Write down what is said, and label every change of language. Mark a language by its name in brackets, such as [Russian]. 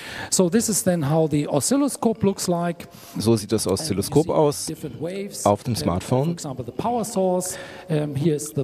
[English] So this is then how the oscilloscope looks like. [German] So sieht das Oszilloskop aus auf dem Smartphone. [English] For example, the power source, here is the